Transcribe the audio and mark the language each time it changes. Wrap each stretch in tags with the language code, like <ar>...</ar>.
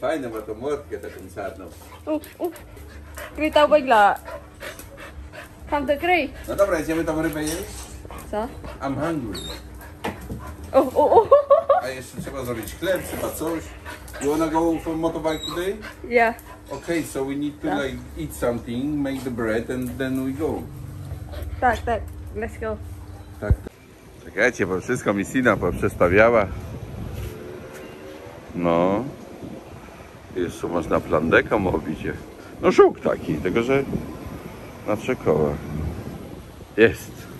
<pl>Fajne, bo to młotkę taką czarną. Witał Bogla. Come to kryj. No dobra, idziemy tam rybę jeść. Co?</pl> <en>I'm hungry. Oh, oh, oh.</en> <pl>A jeszcze trzeba zrobić chleb, trzeba coś.</pl> <en>You wanna go for motorbike today? Yeah. Okay, so we need to yeah. Like eat something, make the bread and then we go.</en> <pl>Tak, tak.</pl> <en>Let's go.</en> <pl>Tak. Czekajcie, bo wszystko mi Sina poprzestawiała. No. Jeszcze można plandeka mówić. No żuk taki, tylko że na trzy koła. Jest.</pl>